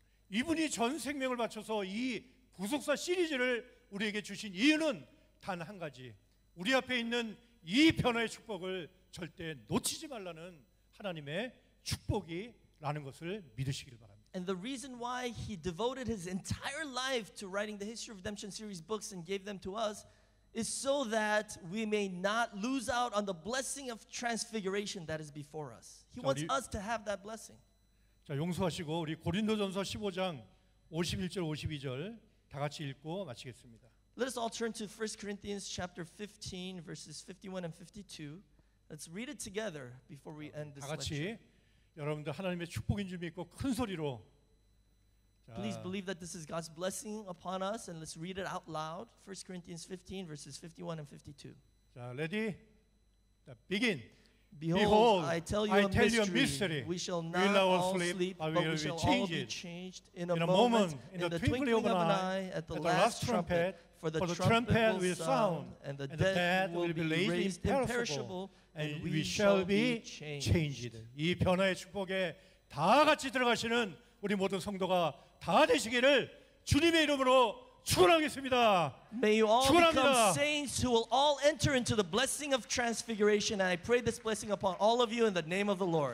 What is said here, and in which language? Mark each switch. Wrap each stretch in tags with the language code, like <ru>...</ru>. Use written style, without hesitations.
<ko>이분이 전 생명을 바쳐서 이 구속사 시리즈를 우리에게 주신 이유는 단 한 가지. 우리 앞에 있는 이 변화의 축복을 절대 놓치지 말라는 하나님의 축복이 라는 것을 믿으시기를 바랍니다.</ko> <en>And the reason why he devoted his entire life to writing the History of Redemption series books and gave them to us is so that we may not lose out on the blessing of transfiguration that is before us. He wants us to have that blessing.</en> <ko>자, 용서하시고 우리 고린도전서 15장 51절 52절 다 같이 읽고 마치겠습니다.</ko> <en>Let us all turn to 1 Corinthians chapter 15 verses 51 and 52. Let's read it together before we end this lecture.</en> <ko>여러분들 하나님의 축복인 줄 믿고 큰 소리로</ko> <en>자, Please believe that this is God's blessing upon us and let's read it out loud. 1 Corinthians 15 verses 51 and 52. 자, ready? Begin. Behold, I tell you a mystery. We shall not all sleep, but we shall all be changed in a moment, in the twinkling of an eye, at the last trumpet. For the trumpet will sound, and the dead will be raised imperishable, and we shall be changed.</en> <ko>이 변화의 축복에 다 같이 들어가시는 우리 모든 성도가 다 되시기를 주님의 이름으로 축원하겠습니다.</ko> <en>May you all become saints who will all enter into the blessing of transfiguration, and I pray this blessing upon all of you in the name of the Lord.</en>